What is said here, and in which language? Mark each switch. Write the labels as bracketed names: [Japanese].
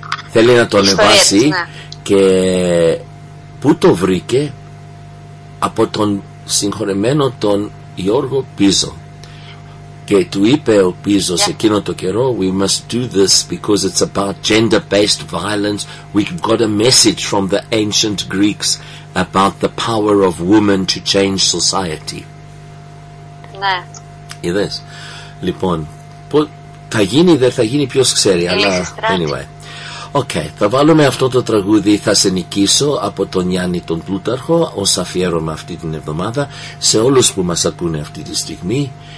[Greek] Θέλει να το ανεβάσει και πού το βρήκε? Από τον συγχωρεμένο τον Γιώργο Πίζο. Και του είπε ο Πίζο σε εκείνο το καιρό, [English] we must do this because it's about gender-based violence. We've got a message from the ancient Greeks about the power of women to change society. [Greek] Ναι. Είδες. Λοιπόν, θα γίνει ή δεν θα γίνει, ποιος ξέρει, αλλά anyway. Okay, θα βάλουμε αυτό το τραγούδι «Θα σε νικήσω» από τον Γιάννη τον Πλούταρχο ως αφιέρωμα αυτή την εβδομάδα σε όλους που μας ακούνε αυτή τη στιγμή.